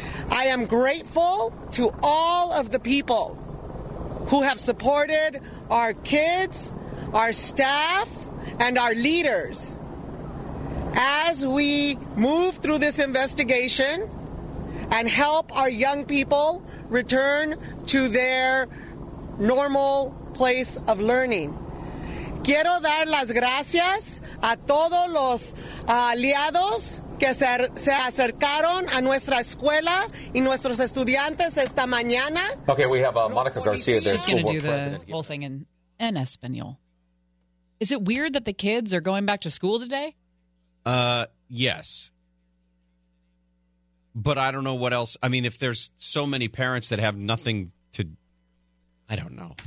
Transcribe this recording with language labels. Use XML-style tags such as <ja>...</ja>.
<en>I am grateful to all of the people who have supported our kids, our staff, and our leaders as we move through this investigation and help our young people return to their normal place of learning.</en> <es>Quiero dar las gracias a todos los aliados que se acercaron a nuestra escuela y nuestros estudiantes esta mañana.</es> <en>Okay, we have Monica Garcia, their school board president. She's going to do the whole thing in Espanol. Is it weird that the kids are going back to school today? Yes. But I don't know what else. I mean, if there's so many parents that have nothing to, I don't know.</en>